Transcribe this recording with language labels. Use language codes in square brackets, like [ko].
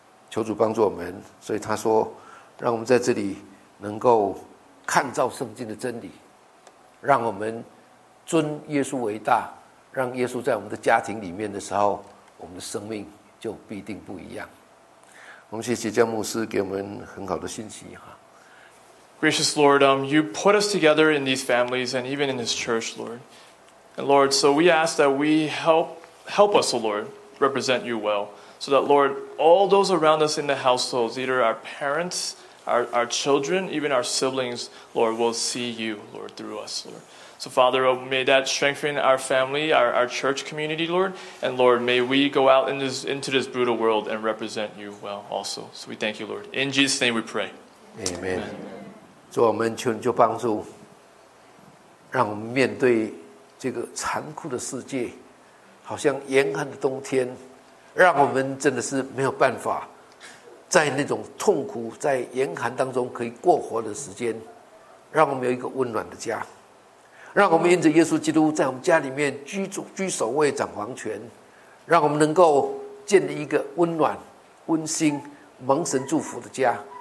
[zh] 求主帮助我们。所以他说让我们在这里能够看照圣经的真理，让我们尊耶稣为大，让耶稣在我们的家庭里面的时候，我们的生命就必定不一样。我们谢谢江牧师给我们很好的信息。 [en] Gracious Lord, you put us together in these families and even in this church, Lord. And Lord, so we ask that we help us, O Lord, represent you well, so that, Lord, all those around us in the households, either our parents, our children, even our siblings, Lord, will see you, Lord, through us, Lord. So, Father, may that strengthen our family, our church community, Lord. And, Lord, may we go out into this brutal world and represent you well also. So we thank you, Lord. In Jesus' name we pray. Amen. Amen. [zh] 主，我们求你就帮助，让我们面对这个残酷的世界，好像严寒的冬天，让我们真的是没有办法在那种痛苦、在严寒当中可以过活的时间，让我们有一个温暖的家，让我们因着耶稣基督在我们家里面居首位、掌皇权，让我们能够建立一个温暖、温馨、蒙神祝福的家。